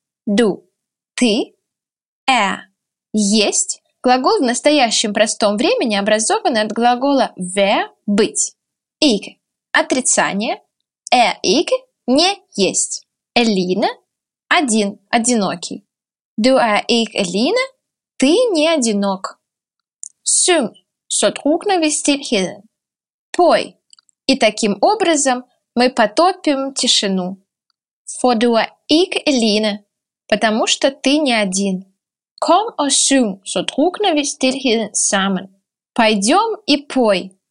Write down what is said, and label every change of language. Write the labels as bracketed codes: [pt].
[da] Du – [ru] ты. [da] Er – [ru] есть. Глагол в настоящем простом времени образован от глагола «ver» – «быть». [da] Ikke. [ru] Отрицание. [da] Er ikke [ru] – не есть. [da] Alene [ru] – один, одинокий. [da] Du er ikke alene – [ru] ты не одинок. [da] Syng – så drukner vi stilheden. [ru] Пой. И таким образом мы потопим тишину. [da] For du er ikke alene – [ru] потому что ты не один. [da] Kom og syng – så drukner vi stilheden sammen. [ru] Пойдем и пой.